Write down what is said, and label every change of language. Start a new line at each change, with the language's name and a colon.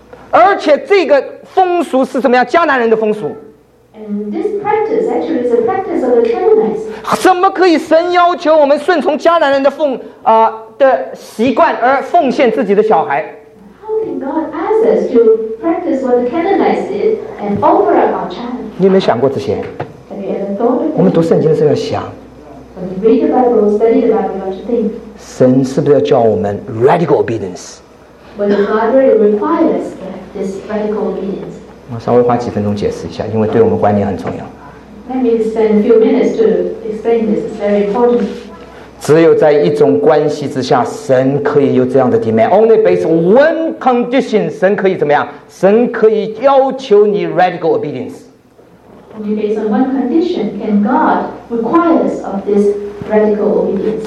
Chinese: 而且这个风俗是什么样？迦南人的风俗。
English: And this practice actually is a practice of the Canaanites.
Chinese: 怎么可以神要求我们顺从迦南人的的习惯而奉献自己的小孩？
English: How can God ask us to practice what the Canaanites did and offer up our child?
Chinese: 你有没有想过这些？
English: Have you ever thought of it?
Chinese: 我们读圣经的时候要想。
English: When you read the Bible, study the Bible, you have to think.
Chinese: 神是不是要叫我们 radical obedience?
English: When God really requires this radical obedience.
Chinese: 我稍微花几分钟解释一下，因为对我们观念很重要。
English: Let me spend a few minutes to explain this. It's very important.
Chinese: 只有在一种关系之下，神可以有这样的 demand.
English: Only based one condition,
Chinese: 神可以怎么样？神可以要求你 radical obedience.
English: Only based on one condition can God require us of this radical obedience.